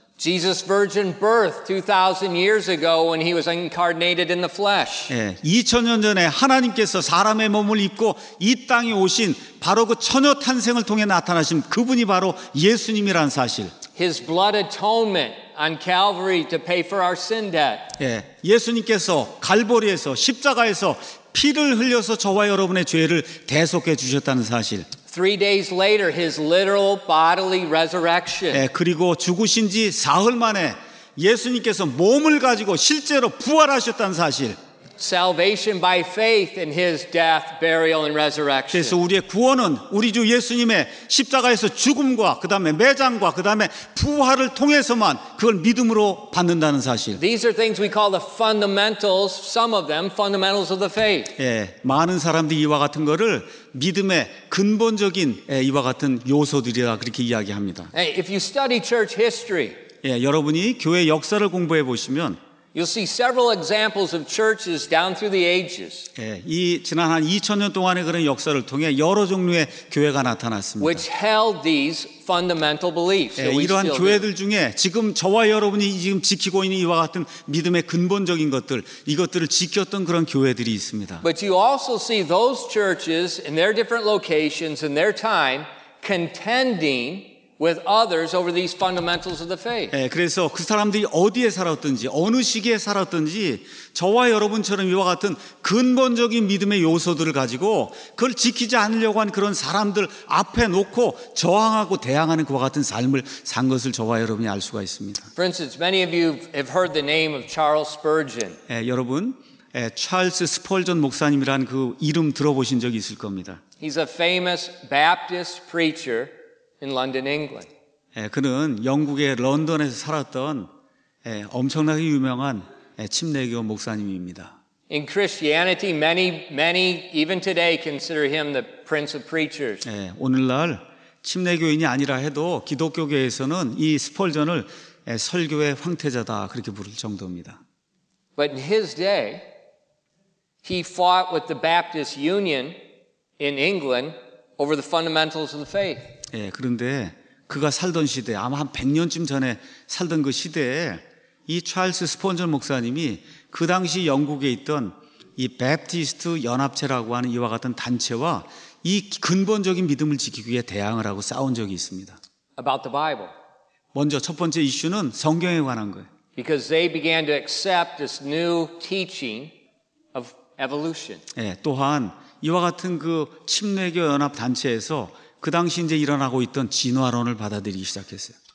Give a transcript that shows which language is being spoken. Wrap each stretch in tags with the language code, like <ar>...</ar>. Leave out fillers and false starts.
<en>Jesus' virgin birth 2,000 years ago when he was incarnated in the flesh.</en> <ko>예, 2,000년 전에 하나님께서 사람의 몸을 입고 이 땅에 오신 바로 그 처녀 탄생을 통해 나타나신 그분이 바로 예수님이란 사실.</ko> <en>His blood atonement on Calvary to pay for our sin debt.</en> <ko>예, 예수님께서 갈보리에서 십자가에서 피를 흘려서 저와 여러분의 죄를 대속해 주셨다는 사실.</ko> <en>Three days later, his literal bodily resurrection.</en> <ko>예, 그리고 죽으신 지 사흘 만에 예수님께서 몸을 가지고 실제로 부활하셨다는 사실.</ko> <en>Salvation by faith in his death, burial, and resurrection.</en> <ko>그래서 우리의 구원은 우리 주 예수님의 십자가에서 죽음과 그 다음에 매장과 그 다음에 부활을 통해서만 그걸 믿음으로 받는다는 사실.</ko> <en>These are things we call the fundamentals. Some of them fundamentals of the faith.</en> <ko>예, 많은 사람들이 이와 같은 것을 믿음의 근본적인 예, 이와 같은 요소들이라 그렇게 이야기합니다.</ko> <en>Hey, if you study church history,</en> <ko>예, 여러분이 교회 역사를 공부해 보시면.</ko> <en>You'll see several examples of churches down through the ages.</en> <ko>예, 이 지난 한 2000년 동안의 그런 역사를 통해 여러 종류의 교회가 나타났습니다.</ko> <en>Which held these fundamental beliefs.</en> <ko>예, 이러한 교회들 중에 지금 저와 여러분이 지금 지키고 있는 이와 같은 믿음의 근본적인 것들, 이것들을 지켰던 그런 교회들이 있습니다.</ko> <en>But you also see those churches in their different locations in their time contending with others over these fundamentals of the faith.</en> <ko>예, 그래서 그 사람들이 어디에 살았든지 어느 시기에 살았든지 저와 여러분처럼 이와 같은 근본적인 믿음의 요소들을 가지고 그걸 지키지 않으려고 한 그런 사람들 앞에 놓고 저항하고 대항하는 그와 같은 삶을 산 것을 저와 여러분이 알 수가 있습니다.</ko> <en>For instance, many of you have heard the name of Charles Spurgeon.</en> <ko>예, 여러분 예, 찰스 스펄전 목사님이란 그 이름 들어보신 적이 있을 겁니다.</ko> <en>He's a famous Baptist preacher. In London, England.</en> <ko>그는 영국의 런던에서 살았던 엄청나게 유명한 침례교 목사님입니다.</ko> <en>In Christianity, many even today consider him the prince of preachers.</en> <ko>오늘날 침례교인이 아니라 해도 기독교계에서는 이 스펄전을 설교의 황태자다 그렇게 부를 정도입니다.</ko> <en>But in his day, he fought with the Baptist Union in England over the fundamentals of the faith.</en> <ko>그런데 그가 살던 시대, 아마 한 100년쯤 전에 살던 그 시대에 이 찰스 스펀전 목사님이 그 당시 영국에 있던 이 베프티스트 연합체라고 하는 이와 같은 단체와 이 근본적인 믿음을 지키기 위해 대항을 하고 싸운 적이 있습니다.</ko> <en>About the Bible.</en> <ko>먼저 첫 번째 이슈는 성경에 관한 거예요.</ko> <en>Because they began to accept this new teaching of evolution.</en> <ko>또한 이와 같은 그 침례교 연합 단체에서 그 당시 이제 일어나고 있던 진화론을 받아들이기 시작했어요.</ko>